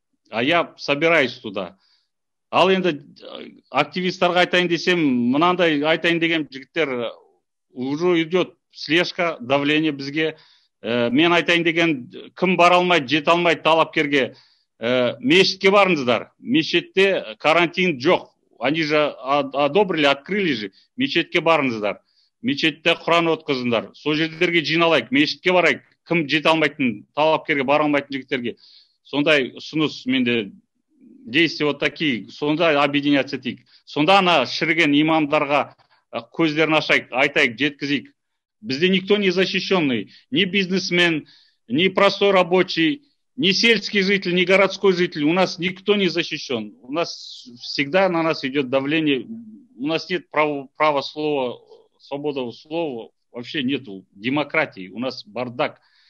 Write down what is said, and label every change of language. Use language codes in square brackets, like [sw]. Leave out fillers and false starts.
[ru] А я собираюсь туда. [kk] Ал енді активистарға айтайын десем, мынандай айтайын деген жігіттер, [ru] уже идет слежка, давление [kk] бізге. Мен айтайын деген, кім бара алмайды, жете алмайды талапкерге. Мешітке барыңыздар. Мешітте карантин жоқ. [ru] Они же одобрили, открыли же. [kk] Мешітке барыңыздар. Мешітте Құран өткізіңдар. Сол жерлерге жиналайық, мешітке барайық. Кім жете алмайтын талапкерге, бара алмайтын жігіттерге. Сондай ұсыныс менде, [ru] действия вот такие, [kk] сонда объединяться етейік. Сонда ана шіріген имамдарға көздерін ашайық, айтайық, жеткізейік. [ru] Бізде никто не защищенный, ни бизнесмен, ни простой рабочий, ни сельский житель, ни городской житель. У нас никто не защищен. У нас всегда на нас идет давление, у нас нет права слова, свободы слова, вообще нету демократии, у нас бардак.